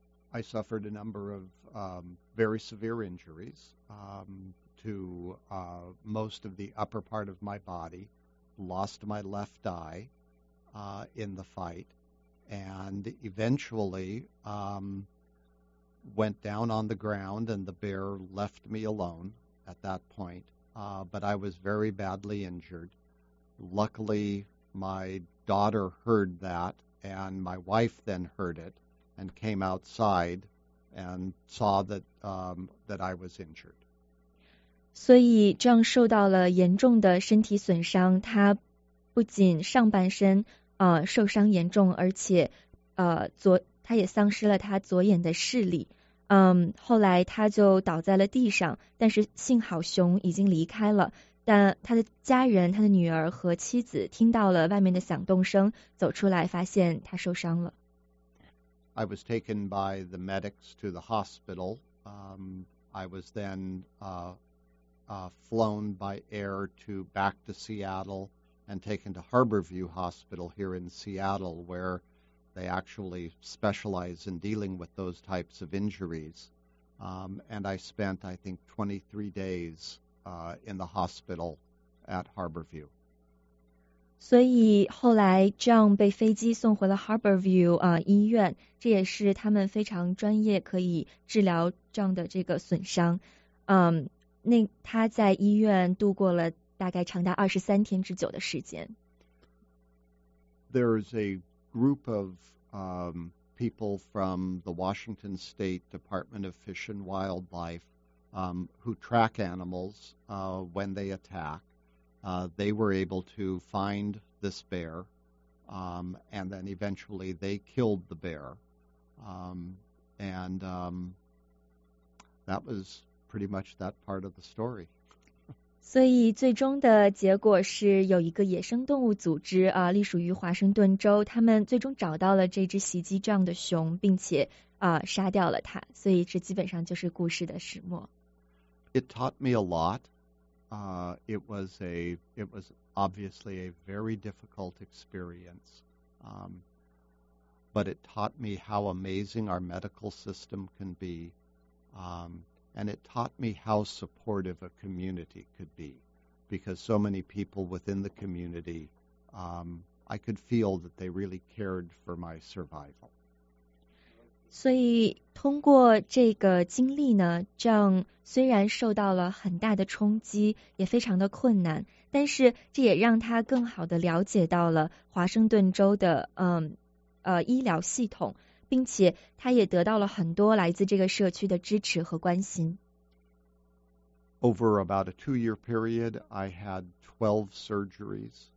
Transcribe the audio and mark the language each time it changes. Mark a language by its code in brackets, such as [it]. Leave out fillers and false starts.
[en] I suffered a number of very severe injuries to most of the upper part of my body, lost my left eye in the fight, and eventually went down on the ground and the bear left me alone at that point. But I was very badly injured. Luckily, my daughter heard that, and my wife then heard it and came outside and saw that, that I was injured. [zh] 所以John受到了严重的身体损伤，他不仅上半身受伤严重，而且他也丧失了他左眼的视力。后来他就倒在了地上，但是幸好熊已经离开了，但他的家人，他的女儿和妻子听到了外面的响动声，走出来发现他受伤了。 [en] I was taken by the medics to the hospital. I was then flown by air back to Seattle and taken to Harborview Hospital here in Seattle, where they actually specialize in dealing with those types of injuries. And I spent, I think, 23 days in the hospital at Harborview. [zh] 所以后来 John 被飞机送回了 Harborview 医院，这也是他们非常专业可以治疗 John 的这个损伤。那他在医院度过了大概长达23天之久的时间。 [en] There's a group of people from the Washington State Department of Fish and Wildlife who track animals when they attack. They were able to find this bear and then eventually they killed the bear. And that was pretty much that part of the story. [zh] 所以最终的结果是有一个野生动物组织隶属于华盛顿州，他们最终找到了这只袭击John的熊，并且杀掉了它。所以这基本上就是故事的始末。 [en] It taught me a lot. It was obviously a very difficult experience. But it taught me how amazing our medical system can be. And it taught me how supportive a community could be, because so many people within the community, I could feel that they really cared for my survival. [zh] 所以通过这个经历呢，John虽然受到了很大的冲击，也非常的困难，但是这也让他更好的了解到了华盛顿州的医疗系统。并且他也得到了很多来自这个社区的支持和关心。 [en] Over about a 2-year period, I had 12 surgeries.